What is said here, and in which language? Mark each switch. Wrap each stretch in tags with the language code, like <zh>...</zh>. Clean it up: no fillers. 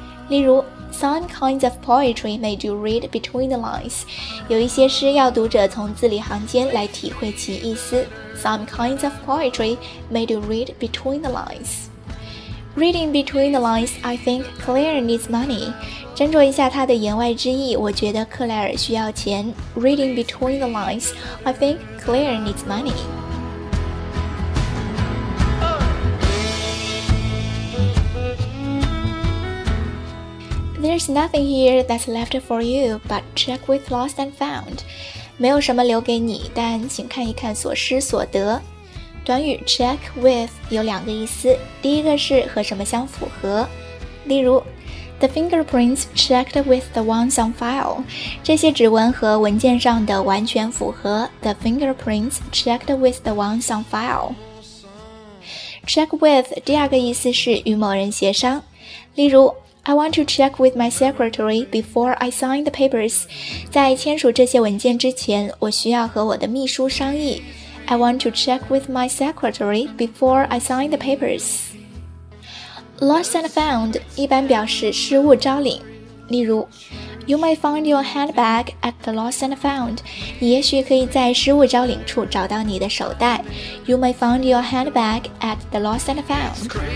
<zh>例如</zh> <en>，Some kinds of poetry made you read between the lines.</en> <zh>有一些诗要读者从字里行间来体会其意思。</zh> <en>Some kinds of poetry made you read between the lines. Reading between the lines, I think Claire needs money.</en> <zh>斟酌一下他的言外之意，我觉得克莱尔需要钱。</zh> <en>Reading between the lines, I think Claire needs money. There's nothing here that's left for you, but check with lost and found.</en> <zh>没有什么留给你，但请看一看所失所得。短语</zh> <en>check with</en> <zh>有两个意思，第一个是和什么相符合。例如</zh> <en>The fingerprints checked with the ones on file.</en> <zh>这些指纹和文件上的完全符合。</zh> <en>The fingerprints checked with the ones on file. Check with</en> <zh>第二个意思是与某人协商。例如</zh> <en>I want to check with my secretary before I sign the papers.</en> <zh>在签署这些文件之前，我需要和我的秘书商议。</zh> <en>I want to check with my secretary before I sign the papers. Lost and found</en> <zh>一般表示失物招领。例如</zh> <en>You may find your handbag at the lost and found.</en> <zh>你也许可以在失物招领处找到你的手袋。</zh> <en>You may find your handbag at the lost and found.</en>